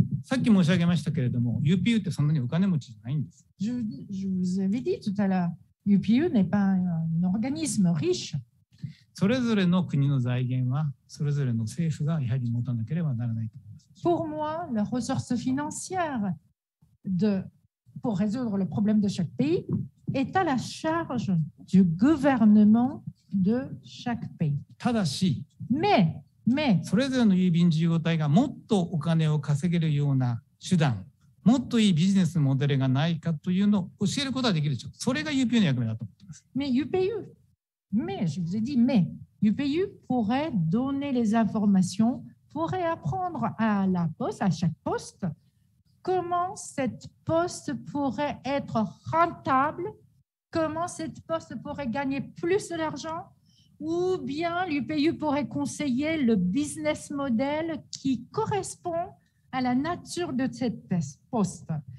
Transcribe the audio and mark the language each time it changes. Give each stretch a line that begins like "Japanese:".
Japanese: さっき申し上げましたけれども、UPU ってそんなにお金持ちじゃないんです。
French: Je vous avais dit tout à l'heure, UPU n'est pas un organisme riche.
Japanese: それぞれの国の財源は、それぞれの政府がやはり持たなければならないと思います。
French: pour moi les ressources financières pour résoudre le problème de chaque pays est à la charge du gouvernement de chaque pays.
Japanese: ただし,
French: mais
Japanese: それぞれの郵便事業体がもっとお金を稼げるような手段、もっといいビジネスモデルがないかというのを教えることができるでしょう。それが UPU の役目だと思っています。
French: Mais UPU, mais je vous ai dit, mais UPU pourrait donner les informations, pourrait apprendre à la poste, à chaque poste, comment cette poste pourrait être rentable, comment cette poste pourrait gagner plus d'argent, ou bien l'UPU pourrait conseiller le business model qui correspond à la nature de cette poste.